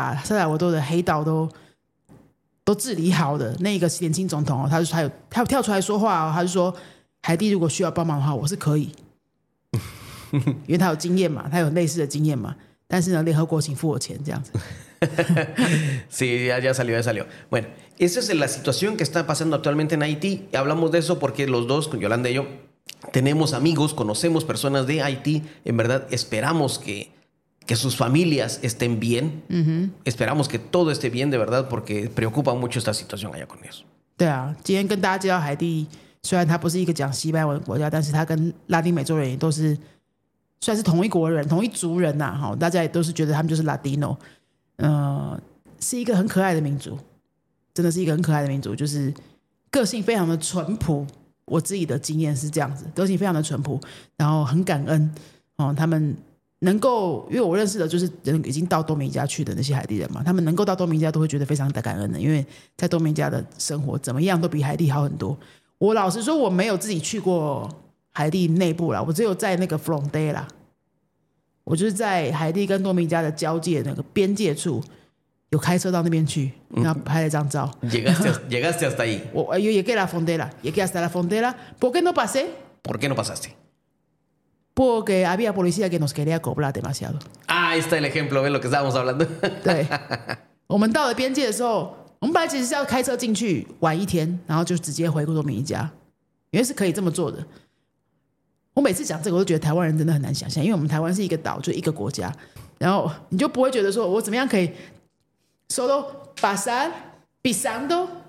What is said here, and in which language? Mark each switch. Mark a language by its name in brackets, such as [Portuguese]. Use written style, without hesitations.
[Spanish] ¿Te acuerdas que en el episodio de hoy, [Chinese] el episodio de hoy, el episodio de hoy,都治理好的那个年轻总统，他有跳出来说话，他就说海地如果需要帮忙的话我是可以，因为他有经验嘛，他有类似的经验嘛，但是呢联合国请付我钱这样子。 [Spanish] Sí, ya salió. Bueno, esa es la situación que está pasando actualmente en Haití. Hablamos de eso porque los dos, con Yolanda y yo, tenemos amigos, conocemos personas de Haití. En verdad esperamos que sus familias estén bien. Uh-huh. Esperamos que todo esté bien, de verdad, porque preocupa mucho esta situación allá con ellos. [Chinese] 对啊，今天跟大家介绍海地，虽然他不是一个讲西班牙文的国家，但是他跟拉丁美洲人也都是算是同一国人、同一族人呐。哈，大家也都是觉得他们就是 Latino， 是一个很可爱的民族，真的是一个很可爱的民族，就是个性非常的淳朴。我自己的经验是这样子，个性非常的淳朴，然后很感恩哦，他们。能够，因为我认识的就是人已经到多米加去的那些海地人嘛，他们能够到多米加都会觉得非常的感恩的，因为在多米加的生活怎么样都比海地好很多。我老实说，我没有自己去过海地内部啦，我只有在那个 Fronde 啦，我就是在海地跟多米加的交界那个边界处，有开车到那边去，然后拍了张照。 [Spanish] Llegaste hasta ahí. [Chinese] 我有 [Spanish] llegué a la frontera, llegué hasta la frontera. ¿Por qué no pasé? ¿Por qué no pasaste? Porque había policía que nos quería cobrar demasiado. Ah, está el ejemplo, ¿ves lo que estábamos hablando? [Chinese] 对，我们到了边界的时候，我们本来其实是要开车进去玩一天，然后就直接回多米尼加，因为是可以这么做的。我每次讲这个，我都觉得台湾人真的很难想象，因为我们台湾是一个岛，就一个国家，然后你就不会觉得说我怎么样可以 [Spanish] solo pasar pisando